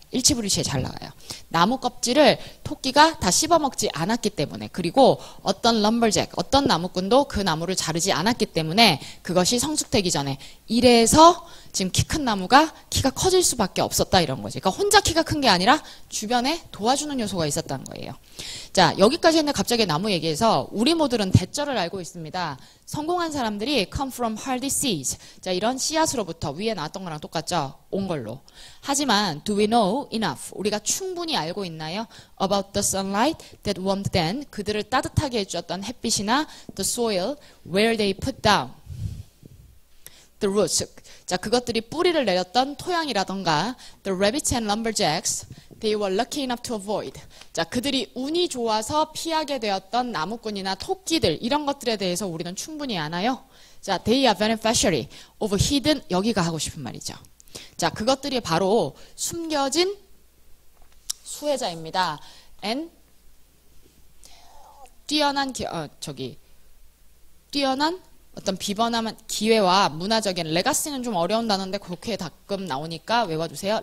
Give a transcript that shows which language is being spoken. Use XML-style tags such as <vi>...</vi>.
<ko>일치불일치에 잘 나가요. 나무 껍질을 토끼가 다 씹어먹지 않았기 때문에, 그리고 어떤 lumberjack, 어떤 나무꾼도 그 나무를 자르지 않았기 때문에 그것이 성숙되기 전에, 이래서 지금 키 큰 나무가 키가 커질 수밖에 없었다 이런 거지. 그러니까 혼자 키가 큰 게 아니라 주변에 도와주는 요소가 있었다는 거예요. 자, 여기까지 했는데 갑자기 나무 얘기해서 우리 모두는 대절을 알고 있습니다. 성공한 사람들이</ko> <en>come from hardy seeds.</en> <ko>자, 이런 씨앗으로부터 위에 나왔던 거랑 똑같죠? 온 걸로. 하지만</ko> <en>do we know enough?</en> <ko>우리가 충분히 알고 있나요?</ko> <en>About the sunlight that warmed them.</en> <ko>그들을 따뜻하게 해주었던 햇빛이나</ko> <en>the soil where they put down the roots.</en> <ko>자, 그것들이 뿌리를 내렸던 토양이라던가</ko> <en>the rabbits and lumberjacks. They were lucky enough to avoid.</en> <ko>자, 그들이 운이 좋아서 피하게 되었던 나무꾼이나 토끼들, 이런 것들에 대해서 우리는 충분히 아나요?</ko> <en>자, they are beneficiary of hidden.</en> <ko>여기가 하고 싶은 말이죠. 자, 그것들이 바로 숨겨진 수혜자입니다. And 뛰어난 뛰어난 어떤 비번함한 기회와 문화적인 레가시는 좀 어려운 단어인데 그렇게 가끔 나오니까 외워주세요.</ko>